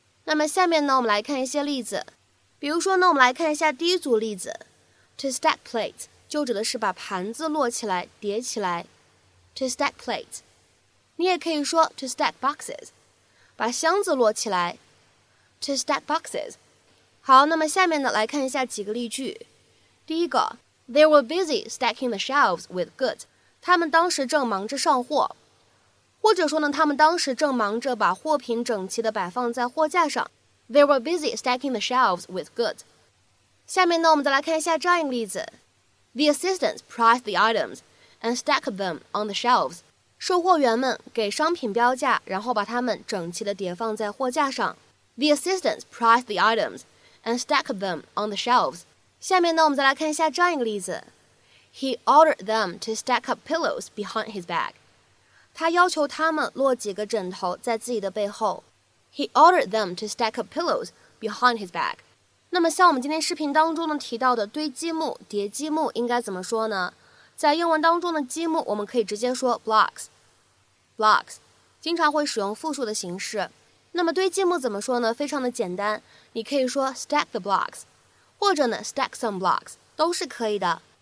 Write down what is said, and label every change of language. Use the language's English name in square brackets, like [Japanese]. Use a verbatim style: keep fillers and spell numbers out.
[Chinese] 那么下面呢，我们来看一些例子。比如说呢，我们来看一下第一组例子。 [English] To stack plates [Chinese] 就指的是把盘子摞起来、叠起来。 [English] To stack plates， [Chinese] 你也可以说 [English] to stack boxes。 [Chinese] 把箱子摞起来 [English] to stack boxes。 [Chinese] 好，那么下面呢来看一下几个例句。第一个 [English] They were busy stacking the shelves with goods。 [Chinese] 他们当时正忙着上货，或者说呢他们当时正忙着把货品整齐地摆放在货架上。 [English] They were busy stacking the shelves with goods。 [Chinese] 下面呢我们再来看一下这样一个例子。 [English] The assistants priced the items and stacked them on the shelves。 [Chinese] 售货员们给商品标价，然后把它们整齐地叠放在货架上。 [English] The assistants priced the items and stacked them on the shelves。 [Chinese] 下面呢我们再来看一下这样一个例子。 [English] He ordered them to stack up pillows behind his back。 [Chinese] 他要求他们摞几个枕头在自己的背后。 [English] He ordered them to stack up pillows behind his back。 [Chinese] 那么像我们今天视频当中呢提到的堆积木、叠积木应该怎么说呢？在英文当中的积木我们可以直接说 blocks blocks， 经常会使用复数的形式。那么堆积木怎么说呢？非常的简单，你可以说 [English] stack the blocks， [Chinese] 或者呢 [English] stack some blocks [Chinese] 都是可以的。